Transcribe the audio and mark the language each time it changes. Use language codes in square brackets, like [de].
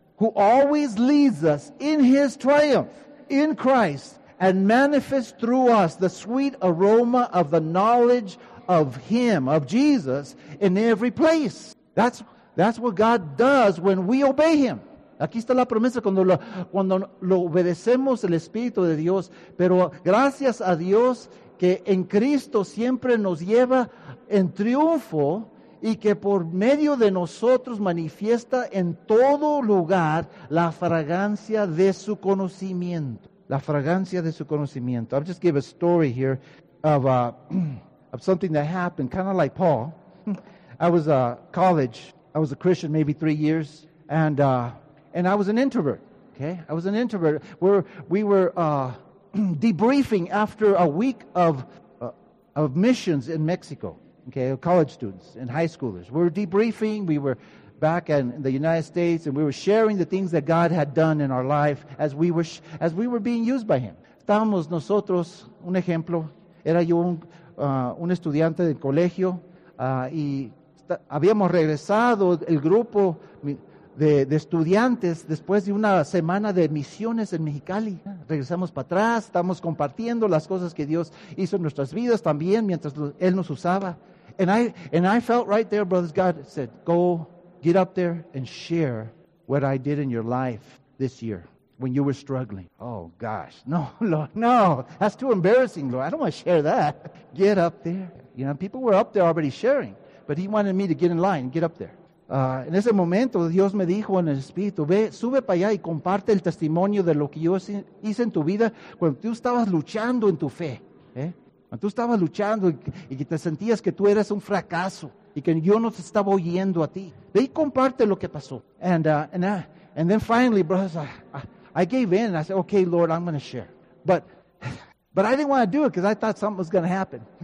[en] Who always leads us in His triumph in Christ and manifests through us the sweet aroma of the knowledge of Him, of Jesus, in every place. That's what God does when we obey Him. [es] Aquí está la promesa cuando lo obedecemos el Espíritu de Dios. Pero gracias a Dios que en Cristo siempre nos lleva en triunfo y que por medio de nosotros manifiesta en todo lugar la fragancia de su conocimiento. La fragancia de su conocimiento. [en] I'll just give a story here of something that happened, kind of like Paul. I was college. I was a Christian maybe 3 years. And I was an introvert. Okay, I was an introvert. We were debriefing after a week of missions in Mexico. Okay, college students and high schoolers. We were debriefing. We were back in the United States, and we were sharing the things that God had done in our life as we were being used by Him. [es] Estábamos nosotros, un ejemplo, era yo un estudiante del colegio, y habíamos regresado el grupo de estudiantes después de una semana de misiones en Mexicali. Regresamos para atrás, estamos compartiendo las cosas que Dios hizo en nuestras vidas también mientras Él nos usaba. [en] And I felt right there, brothers, God said, go, get up there and share what I did in your life this year when you were struggling. Oh, gosh, no, Lord, no, that's too embarrassing, Lord. I don't want to share that. Get up there. You know, people were up there already sharing, but He wanted me to get in line and get up there. [es] En ese momento, Dios me dijo en el Espíritu, ve, sube para allá y comparte el testimonio de lo que yo hice en tu vida cuando tú estabas luchando en tu fe. ¿Eh? Cuando tú estabas luchando y que te sentías que tú eras un fracaso y que yo no te estaba oyendo a ti. Ve y comparte lo que pasó. [en] And then finally, brothers, I gave in. And I said, okay, Lord, I'm going to share. But I didn't want to do it because I thought something was going to happen.